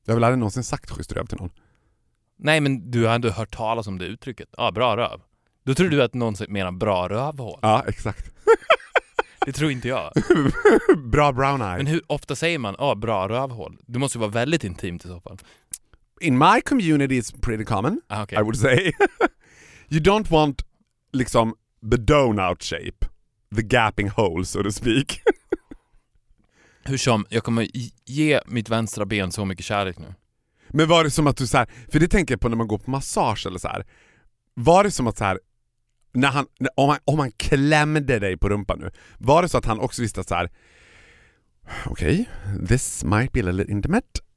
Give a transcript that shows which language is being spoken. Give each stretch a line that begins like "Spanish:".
Swedish: Jag har väl aldrig någonsin sagt schysst röv till någon. Nej, men du har ändå hört talas om det uttrycket. Ja, bra röv. Då tror du att någon menar bra rövhål. Ja, exakt. Det tror inte jag.
English: Bra brown eye.
Swedish: Men hur ofta säger man bra rövhål? Du måste ju vara väldigt intimt i så fall.
English: In my community it's pretty common, okay. I would say. You don't want liksom the donut shape, the gaping hole, so to speak.
Swedish: Hur som, jag kommer ge mitt vänstra ben så mycket kärlek nu. Men var det som att du så här, för det tänker jag på när man går på massage eller så här. Var det som att så här, om han klämde dig på rumpan nu, var det så att han också visste så här, okej,
English: okay, this might be a little intimate.